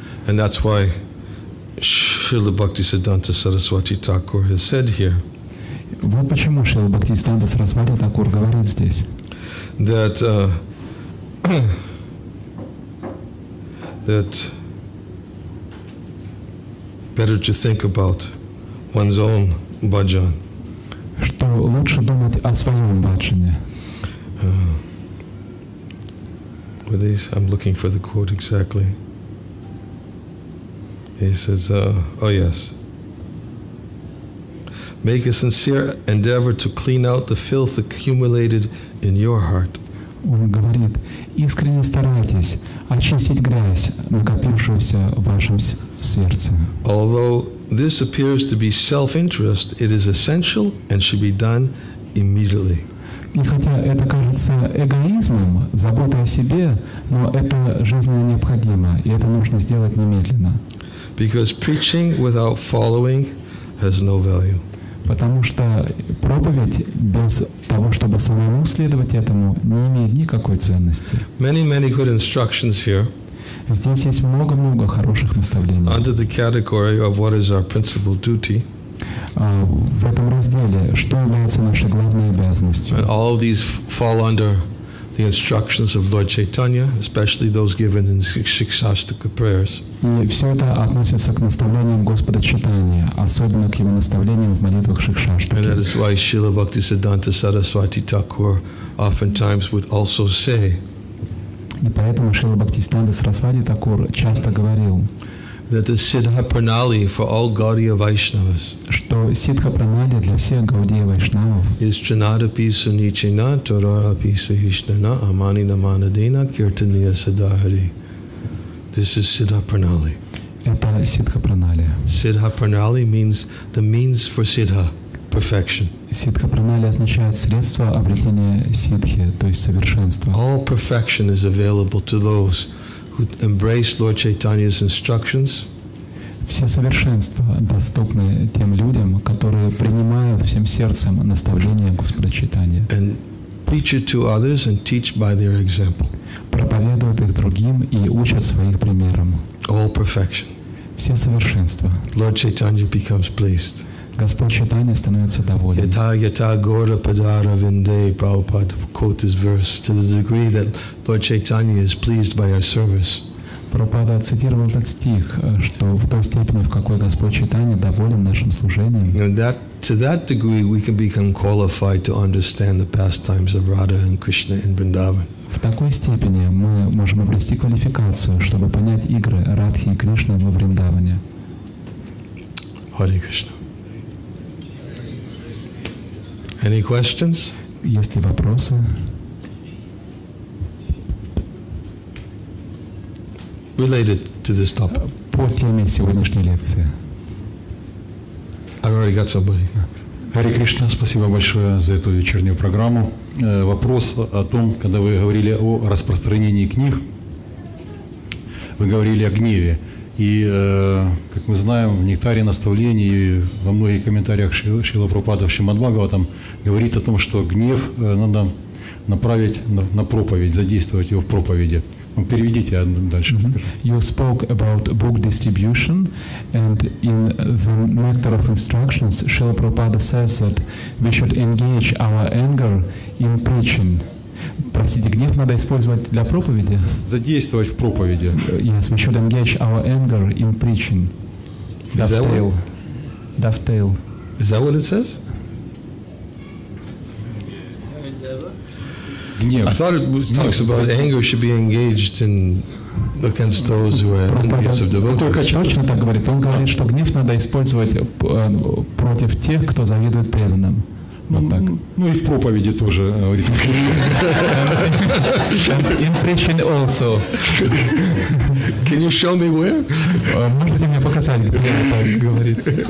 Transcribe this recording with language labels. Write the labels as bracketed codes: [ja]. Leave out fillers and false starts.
[en] And that's why Srila Bhaktisiddhanta Saraswati Thakur has said here. [ru] Вот почему Шрила Бхактисиддханта Сарасвати Такур говорит здесь. [en] That better to think about one's own bhajan. [ru] Что лучше думать о своем бхаджане. [en] I'm looking for the quote exactly. He says, yes. Make a sincere endeavor to clean out the filth accumulated in your heart. [ru] Он говорит, искренне старайтесь очистить грязь, накопившуюся в вашем сердце. [en] Although this appears to be self-interest, it is essential and should be done immediately. [ru] И хотя это кажется эгоизмом, заботой о себе, но это жизненно необходимо, и это нужно сделать немедленно. [en] Because preaching without following has no value. [ru] Потому что проповедь без того, чтобы самому следовать этому, не имеет никакой ценности. [en] Many good instructions here. [ru] Здесь есть много хороших наставлений. [en] Under the category of what is our principal duty. [ru] В этом разделе, что является нашей главной обязанностью. [en] All these fall under the instructions of Lord Chaitanya, especially those given in Shikshastaka prayers. [ru] И все это относится к наставлениям Господа Чайтаньи, особенно к его наставлениям в молитвах Шикшаштаки. [en] And that is why Srila Bhaktisiddhanta Saraswati Thakur oftentimes would also say. [ru] И поэтому Шрила Бхактисиддханта Сарасвати Такур часто говорил. [en] That the Siddha Pranali for all Gaudiya Vaishnavas. [ru] Что Сидха Пранали для всех Гаудия Вайшнавов. [sa] Is Trinadapisu Nichina Torarapisu Hishnana Amani Namanadina Kirtaniya Siddhahari. [en] This is Siddha Pranali. [ru] Это Сидха Пранали. [en] Siddha Pranali means the means for Siddha, perfection. [ru] Сидха Пранали означает средство обретения Сидхи, то есть совершенства. [en] All perfection is available to those who embrace Lord Chaitanya's instructions. [ru] Все совершенства доступны тем людям, которые принимают всем сердцем наставления Господа Чайтаньи. [en] And preach it to others and teach by their example. [ru] Проповедуют их другим и учат своих примером. [en] All perfection. [ru] Все совершенства. [en] Lord Chaitanya becomes pleased. [ru] Господь Чайтанья становится доволен. [sa] Yata yata gora padara vinde, [en] Prabhupada quote this verse, to the degree that Lord Chaitanya is pleased by our service. [ru] Прабхупада цитировал этот стих, что в той степени, в какой Господь Чайтанья доволен нашим служением. [en] And that, to that degree, we can become qualified to understand the pastimes of Radha and Krishna in Vrindavan. [ru] В такой степени мы можем обрести квалификацию, чтобы понять игры Радхи и Кришны во Вриндаване. [en] Hare Krishna. Any questions? [ru] Есть ли вопросы? [en] Related to this topic. [ru] По теме сегодняшней лекции. [en] I've already got somebody. [ru] Харе Кришна, спасибо большое за эту вечернюю программу. Вопрос о том, когда вы говорили о распространении книг, вы говорили о гневе. И, как мы знаем, в «Нектаре наставлений» и во многих комментариях Шрила Прабхупада в Шримад-Бхагаватам говорит о том, что гнев надо направить на проповедь, задействовать его в проповеди. Ну, переведите дальше. Mm-hmm. [en] You spoke about book distribution, and in the Nectar of Instructions, Srila Prabhupada says that we should engage our anger in preaching. [ru] Простите, гнев надо использовать для проповеди? Задействовать в проповеди. [en] Yes, we should engage our anger in preaching. Dovetail. Dovetail. Is that what it says? I thought it talks about anger should be engaged in against those who are envious of devotees. [ru] Точно так говорит. Он говорит, что гнев надо использовать против тех, кто завидует преданным. Вот так. Ну и в проповеди тоже. [en] In preaching also. Can you show me where? [ru] Можете мне показать, где он так говорит?